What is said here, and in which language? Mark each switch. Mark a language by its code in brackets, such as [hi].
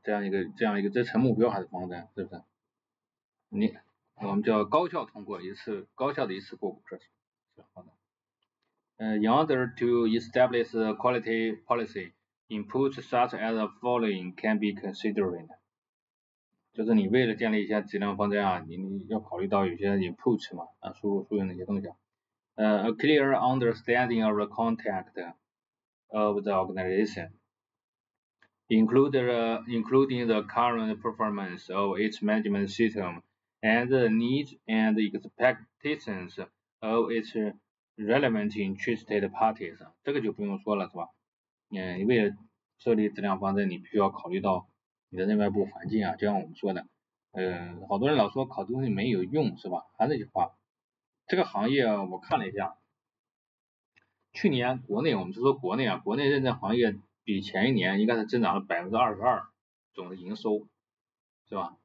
[zh] 这样一个这成目标还是方针，是不是？我们叫高效通过一次，高效的一次过五科，是吧？ [en] In order to establish a quality policy, inputs such as the following can be considered. [zh] 就是你为了建立一些质量方针啊，你要考虑到有些 inputs 嘛，啊，输入哪些东西啊？ [en] A clear understanding of the context of the organization, including the current performance of its management system and the needs and expectations of its relevant interested parties， [zh] 这个就不用说了，是吧？你为了设立质量方针，你必须要考虑到你的内外部环境啊，就像我们说的，好多人老说考东西没有用，是吧？还是那句话，这个行业我看了一下，去年国内，我们就说国内啊，国内认证行业比前一年应该是增长了22%总的营收，是吧？